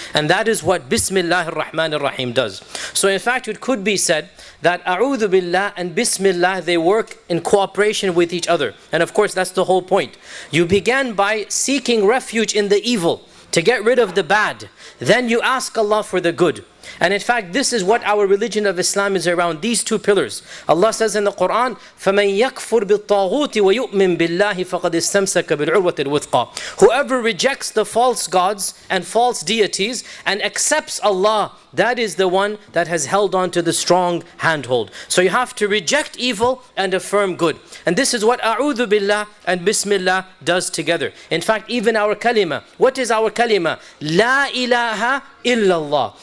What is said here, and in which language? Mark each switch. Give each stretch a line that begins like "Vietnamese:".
English: And that is what Bismillahir Rahmanir Rahim does. So in fact, it could be said that A'udhu Billah and Bismillah, they work in cooperation with each other. And of course, that's the whole point. You began by seeking refuge in the evil to get rid of the bad. Then you ask Allah for the good. And in fact, this is what our religion of Islam is around, these two pillars. Allah says in the Quran,
Arabic: فَمَنْ يَكْفُرْ بِالطَّاغُوتِ وَيُؤْمِنْ بِاللَّهِ فَقَدْ إِسْتَمْسَكَ بِالْعُرْوَةِ الْوُثْقَى.
English: Whoever rejects the false gods and false deities and accepts Allah, that is the one that has held on to the strong handhold. So you have to reject evil and affirm good. And this is what A'udhu Billah and Bismillah does together. In fact, even our kalima. What is our kalima? La ilaha illallah.